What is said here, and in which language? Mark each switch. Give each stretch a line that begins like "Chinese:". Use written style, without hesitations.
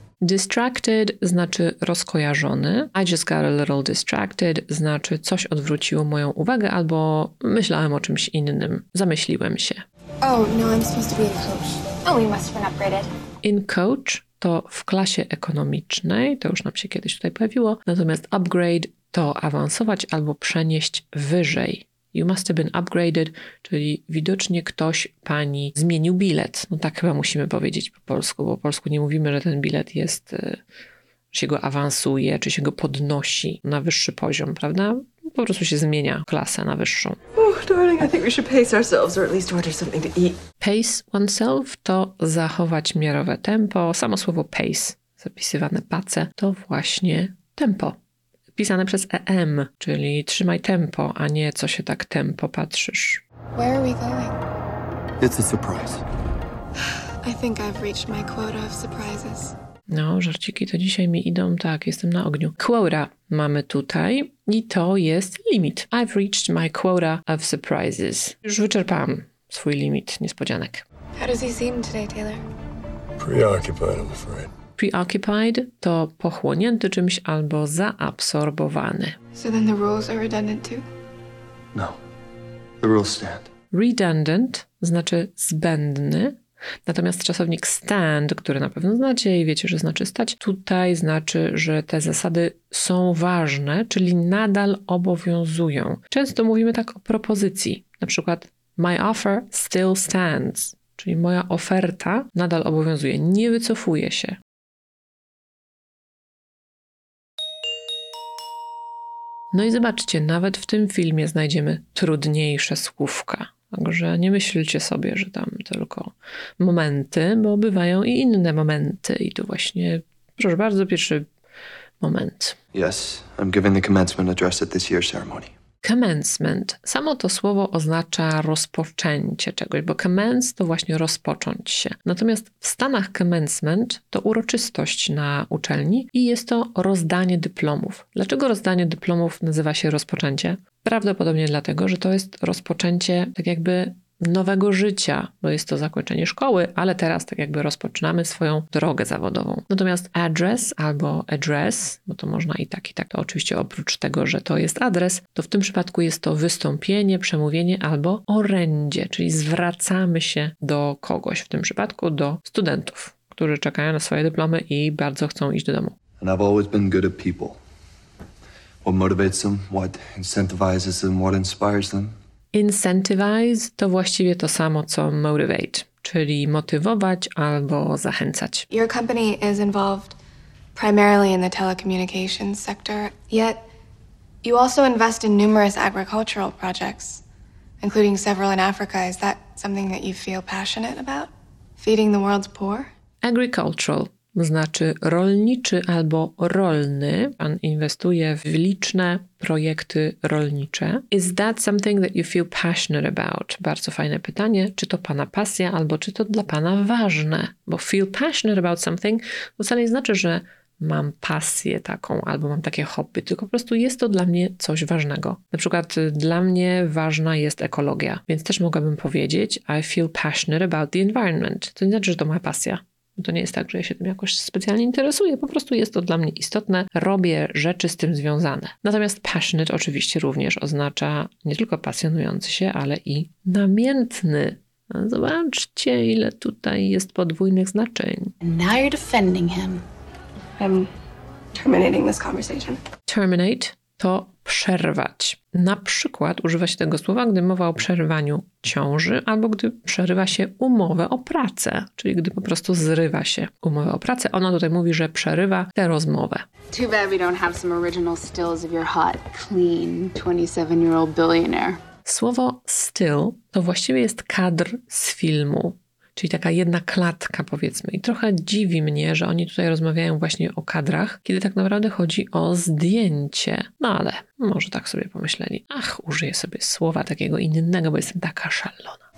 Polish: Distracted znaczy rozkojarzony.
English: I just got a little distracted
Polish: znaczy coś odwróciło moją uwagę albo myślałem o czymś innym. Zamyśliłem się.
English: Oh, no, I'm supposed to be a coach. Oh, you must have been upgraded. In coach
Polish: to w klasie ekonomicznej, to już nam się kiedyś tutaj pojawiło. Natomiast upgrade to awansować albo przenieść wyżej.
English: You must have been upgraded,
Polish: czyli widocznie ktoś pani zmienił bilet. No tak chyba musimy powiedzieć po polsku, bo po polsku nie mówimy, że ten bilet jest, się go awansuje, czy się go podnosi na wyższy poziom, prawda? Po prostu się zmienia klasę na wyższą.
English: Oh, darling, I think we should pace ourselves or at least order something to eat.
Polish: Pace oneself to zachować miarowe tempo. Samo słowo pace, zapisywane pace, to właśnie tempo. Pisane przez EM, czyli trzymaj tempo, a nie co się tak tempo patrzysz.
English: Where are we going? It's a surprise. I think I've reached my quota of surprises.
Polish: No, żarciki to dzisiaj mi idą, tak, jestem na ogniu. Quota mamy tutaj i to jest limit.
English: I've reached my quota of surprises.
Polish: Już wyczerpałam swój limit niespodzianek.
English: How does he seem today, Taylor? Preoccupied, I'm afraid.
Polish: Preoccupied to pochłonięty czymś albo zaabsorbowany.
English: So then the rules are redundant too? No. The rules stand.
Polish: Redundant znaczy zbędny, natomiast czasownik stand, który na pewno znacie i wiecie, że znaczy stać, tutaj znaczy, że te zasady są ważne, czyli nadal obowiązują. Często mówimy tak o propozycji, na przykład
English: my offer still stands,
Polish: czyli moja oferta nadal obowiązuje, nie wycofuje się. No i zobaczcie, nawet w tym filmie znajdziemy trudniejsze słówka. Także nie myślcie sobie, że tam tylko momenty, bo bywają i inne momenty. I tu właśnie, proszę bardzo, pierwszy moment.
English: Yes, I'm giving the commencement address at this year's ceremony. Commencement.
Polish: Samo to słowo oznacza rozpoczęcie czegoś, bo commence to właśnie rozpocząć się. Natomiast w Stanach commencement to uroczystość na uczelni i jest to rozdanie dyplomów. Dlaczego rozdanie dyplomów nazywa się rozpoczęcie? Prawdopodobnie dlatego, że to jest rozpoczęcie tak jakby nowego życia, bo jest to zakończenie szkoły, ale teraz tak jakby rozpoczynamy swoją drogę zawodową. Natomiast address albo address, bo to można i tak, to oczywiście oprócz tego, że to jest adres, to w tym przypadku jest to wystąpienie, przemówienie albo orędzie, czyli zwracamy się do kogoś, w tym przypadku do studentów, którzy czekają na swoje dyplomy i bardzo chcą iść do domu.
English: And I've always been good at people. What motivates them, what incentivizes them, what inspires them?
Polish: Incentivize to właściwie to samo co motivate, czyli motywować albo zachęcać.
English: Your company is involved primarily in the telecommunications sector, yet you also invest in numerous agricultural projects, including several in Africa. Is that something that you feel passionate about? Feeding the world's poor?
Polish: Agricultural znaczy rolniczy albo rolny. Pan inwestuje w liczne projekty rolnicze.
English: Is that something that you feel passionate about?
Polish: Bardzo fajne pytanie. Czy to pana pasja albo czy to dla pana ważne? Bo
English: feel passionate about something
Polish: wcale nie znaczy, że mam pasję taką albo mam takie hobby, tylko po prostu jest to dla mnie coś ważnego. Na przykład dla mnie ważna jest ekologia, więc też mogłabym powiedzieć
English: I feel passionate about the environment.
Polish: To nie znaczy, że to moja pasja. To nie jest tak, że ja się tym jakoś specjalnie interesuję. Po prostu jest to dla mnie istotne. Robię rzeczy z tym związane. Natomiast passionate oczywiście również oznacza nie tylko pasjonujący się, ale i namiętny. Zobaczcie, ile tutaj jest podwójnych znaczeń.
English: Now you're defending him. I'm terminating this conversation.
Polish: Terminate to przerwać. Na przykład używa się tego słowa, gdy mowa o przerwaniu ciąży albo gdy przerywa się umowę o pracę, czyli gdy po prostu zrywa się umowę o pracę. Ona tutaj mówi, że przerywa tę rozmowę.
English: Too bad we don't have some original stills of your hot, clean 27-year-old billionaire.
Polish: Słowo still to właściwie jest kadr z filmu. Czyli taka jedna klatka, powiedzmy. I trochę dziwi mnie, że oni tutaj rozmawiają właśnie o kadrach, kiedy tak naprawdę chodzi o zdjęcie. No ale może tak sobie pomyśleli. Ach, użyję sobie słowa takiego innego, bo jestem taka szalona.